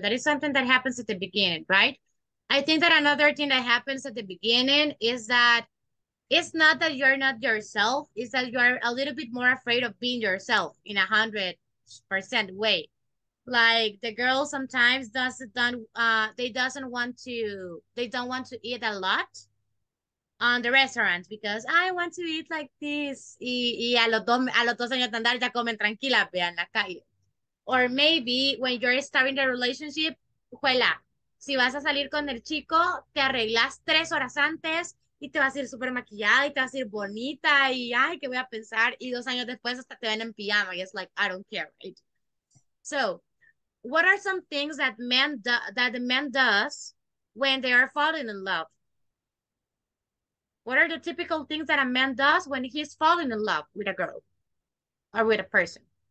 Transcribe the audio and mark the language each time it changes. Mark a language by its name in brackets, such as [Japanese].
[English] That is something that happens at the beginning, right? I think that another thing that happens at the beginning is that it's not that you're not yourself, it's that you're a little bit more afraid of being yourself in 100% way. Like the girl sometimes doesn't want to eat a lot on the restaurant because I want to eat like this. [Spanish] Y a los dos años de andar ya comen tranquila, vean la calle. [English] Or maybe when you're starting the relationship, [Spanish] juela, si vas a salir con el chico, te arreglas 3 horas antes. Y te vas a ir súper maquillada y te vas a ir bonita y ay, ¿qué voy a pensar? Y 2 años después hasta te ven en pijama y es [English] like, I don't care, right? So, what are some things that men does when they are falling in love? What are the typical things that a man does when he's falling in love with a girl or with a person?